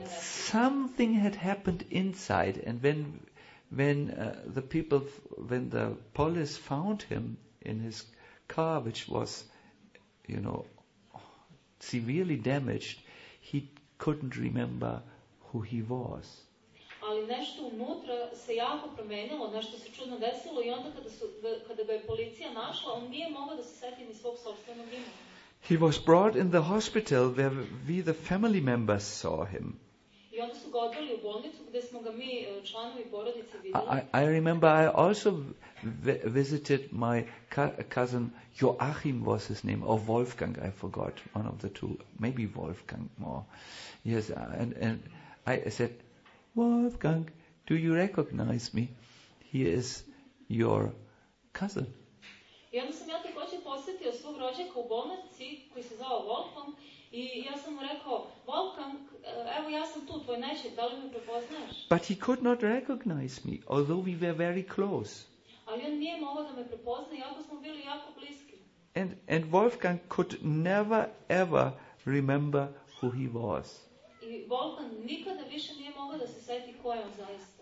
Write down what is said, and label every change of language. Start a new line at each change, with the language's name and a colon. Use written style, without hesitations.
English: But something had happened inside, and when the police found him in his car, which was, you know, severely damaged, he couldn't remember who he was.
Serbian: Ali nešto unutra se jako promijenilo, nešto se čudno desilo i onda kada ga je policija našla, on nije mogao da se seti ni svog sopstvenog imena.
English: He was brought in the hospital where we the family members saw him.
Serbian: I onda su ga odveli u bolnicu gdje smo ga mi članovi porodice vidjeli.
English: I remember I also visited my cousin Joachim was his name, or Wolfgang, I forgot, one of the two, maybe Wolfgang more. Yes, and I said, Wolfgang, do you recognize me? He is your cousin.
Serbian: I onda sam ja također posjetio svog rođaka u bolnici koji se zvao Wolfgang i ja sam mu rekao, Wolfgang, evo ja sam tu, tvoj nećet, da li me prepoznaješ?
English: But he could not recognize me, although we were very close.
Serbian: Ali on nije mogao da me prepozna, iako smo bili jako bliski.
English: And Wolfgang could never ever remember who he was.
Serbian: I Wolfgang nikada više nije mogao da se seti ko je on zaista.